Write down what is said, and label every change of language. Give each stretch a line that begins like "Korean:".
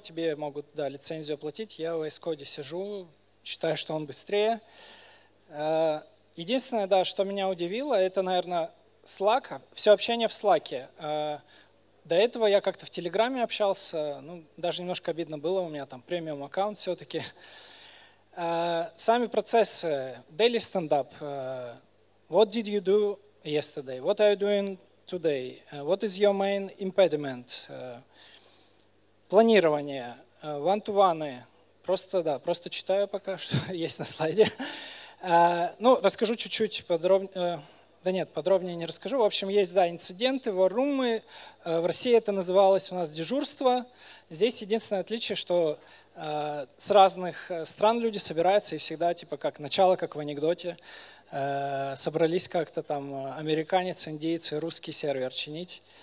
Russian: Тебе могут, да, лицензию оплатить. Я в VS Code сижу, считаю, что он быстрее. Единственное, да, что меня удивило, это, наверное, Slack. Все общение в Slack. До этого я как-то в Телеграме общался. Ну, даже немножко обидно было, у меня там премиум аккаунт все-таки. Сами процессы. Daily stand-up.
English: What did you do yesterday? What are you doing today? What is your main impediment?
Russian: Планирование. One-to-one. Просто, да, просто читаю пока, что есть на слайде. Ну, расскажу чуть-чуть подробнее. Да нет, подробнее не расскажу. В общем, есть, да, инциденты, варрумы. В России это называлось у нас дежурство. Здесь единственное отличие, что с разных стран люди собираются и всегда, типа, как начало, как в анекдоте, собрались как-то там американец, индиец и русский сервер чинить.